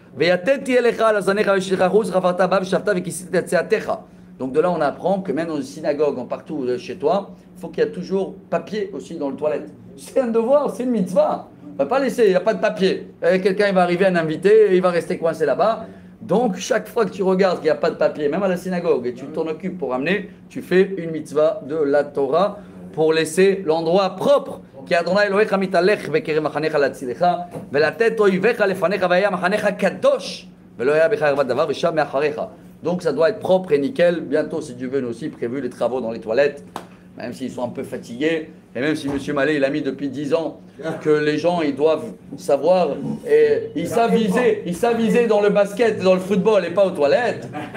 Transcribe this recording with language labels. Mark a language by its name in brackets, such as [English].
[French] Donc de là on apprend que même dans une synagogue, partout chez toi, il faut qu'il y ait toujours papier aussi dans le toilette. C'est un devoir, c'est une mitzvah. On va pas laisser, il n'y a pas de papier. Et quelqu'un il va arriver, un invité, il va rester coincé là-bas. Donc chaque fois que tu regardes qu'il n'y a pas de papier, même à la synagogue, et tu t'en occupes pour amener, tu fais une mitzvah de la Torah pour laisser l'endroit propre. [Hebrew] כי אדוני אלוהיך מתהלך בקרב מחנך להצילך ולתת אויביך לפניך והיה מחנך קדוש ולא היה בך ערוות דבר ושם מאחריך. [French] Donc ça doit être propre et nickel. Bientôt, si Dieu veut, nous aussi prévu les travaux dans les toilettes, même s'ils sont un peu fatigués. Et même si Monsieur Mallet, il a mis depuis 10 ans que les gens, ils doivent savoir et ils savent viser dans le basket, dans le football et pas aux toilettes.